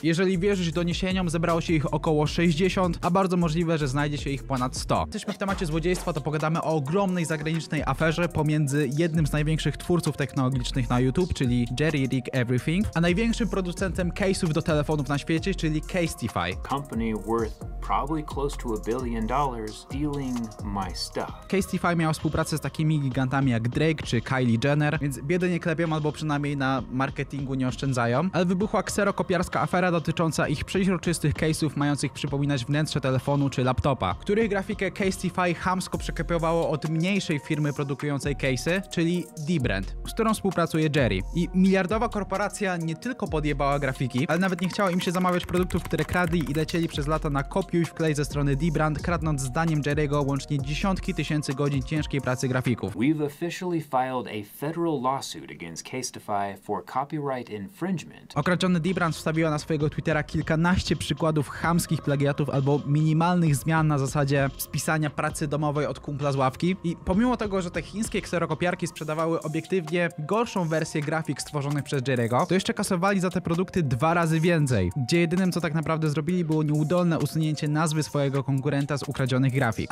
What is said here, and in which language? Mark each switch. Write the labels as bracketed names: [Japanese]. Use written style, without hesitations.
[Polish] Jeżeli wierzyć doniesieniom, zebrało się ich około 60, a bardzo możliwe, że znajdzie się ich ponad 100. Jesteśmy w temacie złodziejstwa, to pogadamy o ogromnej zagranicznej aferze pomiędzy jednym z największych twórców technologicznych na YouTube, czyli Jerry Rick Everything, a największym producentem case'ów do telefonów na świecie, czyli Casetify. [English] Company worth probably close to $1 billion. Stealing my stuff. [Polish] Casetify miał współpracę z takimi gigantami jak Drake czy Kylie Jenner, więc biedy nie klepią albo przynajmniej na marketingu nie oszczędzają, ale wybuchła kserokopiarska afera dotycząca ich przeźroczystych case'ów mających przypominać wnętrze telefonu czy laptopa, których grafikę Casetify chamsko przekopiowało od mniejszej firmy produkującej case'y, czyli D-Brand, z którą współpracuje Jerry. I miliardowa korporacja nie tylko podjebała grafiki, ale nawet nie chciała im się zamawiać produktów, które kradli i lecieli przez lata na kopiuj wklej ze strony D-Brand, kradnąc zdaniem Jerry'ego łącznie dziesiątki tysięcy godzin ciężkiej pracy grafików. [English] We've officially filed a federal lawsuit against Casetify for copyright infringement. [Polish] Okradziony D-Brand wstawiła na swojego Twittera kilkanaście przykładów chamskich plagiatów albo minimalnych zmian na zasadzie spisania pracy domowej od kumpla z ławki. I pomimo tego, że te chińskie kserokopiarki sprzedawały obiektywnie gorszą wersję grafik stworzonych przez Jerry'ego, to jeszcze kasowali za te produkty dwa razy więcej. Gdzie jedynym co tak naprawdę zrobili było nieudolne usunięcie nazwy swojego konkurenta z ukradzionych grafik. trafik.